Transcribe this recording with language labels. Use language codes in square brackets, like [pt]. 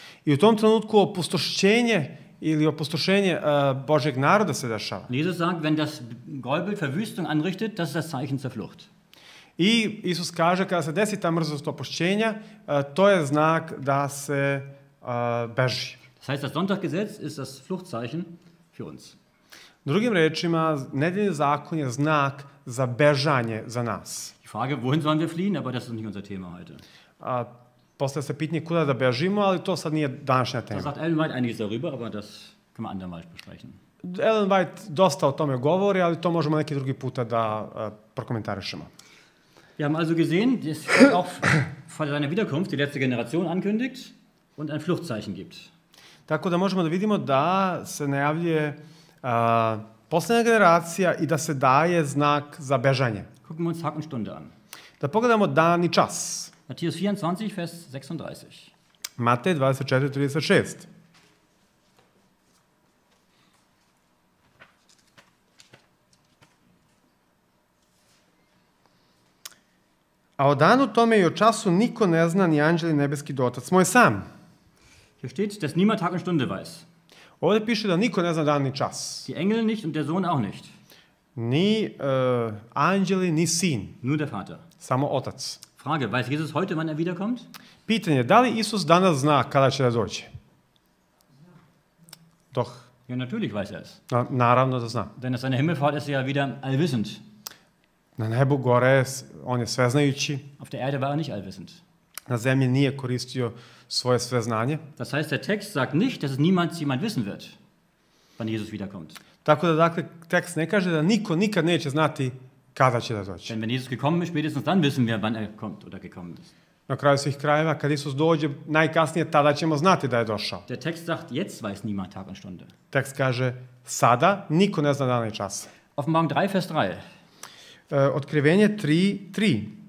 [sr] I u tom trenutku opustošenje ili opustošenje Božeg naroda se dešava. [de] Jesus sagt, wenn das Gräuel Verwüstung anrichtet, das ist das Zeichen zur Flucht. [sr] I Isus kaže, kada se desi ta mrzlost opuštenja, to je znak da se beži. [de] Das heißt, das Sonntaggesetz ist das Fluchtzeichen für uns. [sr] Drugim rečima, nedeljni zakon je znak za bežanje za nas. [de] Die Frage, wohin sollen wir fliehen, aber das ist nicht unser Thema heute. [sr] Postavlja se pitanje kuda da bežimo, ali to sad nije današnja tema. [de] Da sagt Ellen White einiges darüber, aber das können wir andermal besprechen. [sr] Ellen White dosta o tome govori, ali to možemo neki drugi puta da prokomentarišemo. [de] Wir haben also gesehen, dass Gott auch vor seiner Wiederkunft die letzte Generation ankündigt und ein Fluchtzeichen gibt. [sr] Tako da možemo da vidimo da se najavljuje poslednja generacija i da se daje znak za bežanje. [de] Gucken wir uns Tag und Stunde an. [sr] Da pogledamo dan i čas. [de] Matthäus 24, Vers 36. [sr] Matej 24, 36. A o danu tome i o času niko ne zna ni anđeli nebeski do Otac moj sam. [de] Hier steht, dass niemand Tag und Stunde weiß. [sr] Ovde piše da niko ne zna dan ni čas. [de] Die Engel nicht und der Sohn auch nicht. [sr] Ni anđeli, ni sin. [de] Nur der Vater. [sr] Samo Otac. [de] Frage, weiß Jesus heute, wann er wiederkommt? [sr] Pitanje, da li Isus danas zna kada će da dođe? [de] Doch. Ja, natürlich weiß er es. [sr] Naravno da zna. [de] Denn seine Himmelfahrt ist ja wieder allwissend. [sr] Na nebu gore, on je sveznajući. [de] Auf der Erde war er nicht allwissend. [sr] Na zemlji nije koristio svoje sve znanje. [de] Das heißt, der Text sagt nicht, dass es niemals jemand wissen wird, wann Jesus wiederkommt. [sr] Tako da, dakle, tekst ne kaže da niko nikad neće znati kada će da doći. [de] Denn wenn Jesus gekommen ist, spätestens dann wissen wir, wann er kommt oder gekommen ist. [sr] Na kraju svih krajeva, kad Isus dođe, najkasnije tada ćemo znati da je došao. [de] Der Text sagt, jetzt weiß niemand Tag und Stunde. [sr] Tekst kaže, sada niko ne zna dan i čas. [de] Offenbarung 3, Vers 3. [sr] Otkrivenje 3, 3.